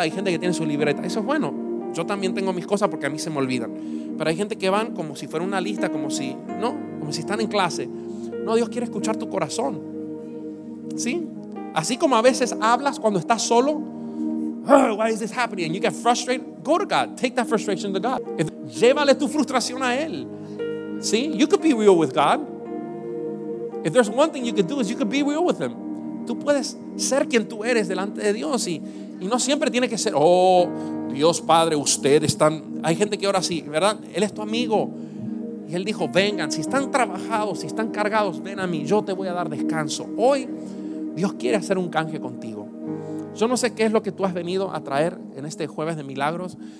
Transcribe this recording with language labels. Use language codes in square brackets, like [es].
[es] Hay gente que tiene su libreta, eso es bueno. Yo también tengo mis cosas porque a mí se me olvidan, pero hay gente que van como si fuera una lista, como si, no, como si están en clase. No, Dios quiere escuchar tu corazón, ¿sí? Así como a veces hablas cuando estás solo, [en] oh, why is this happening, and you get frustrated, go to God, take that frustration to God. [es] Llévale tu frustración a Él, ¿sí? [en] You could be real with God. If there's one thing you could do is you could be real with Him. [es] Tú puedes ser quien tú eres delante de Dios, y no siempre tiene que ser, oh, Dios Padre, usted es tan... Hay gente que ora así, ¿verdad? Él es tu amigo. Y Él dijo: vengan, si están trabajados, si están cargados, ven a mí, yo te voy a dar descanso. Hoy Dios quiere hacer un canje contigo. Yo no sé qué es lo que tú has venido a traer en este jueves de milagros.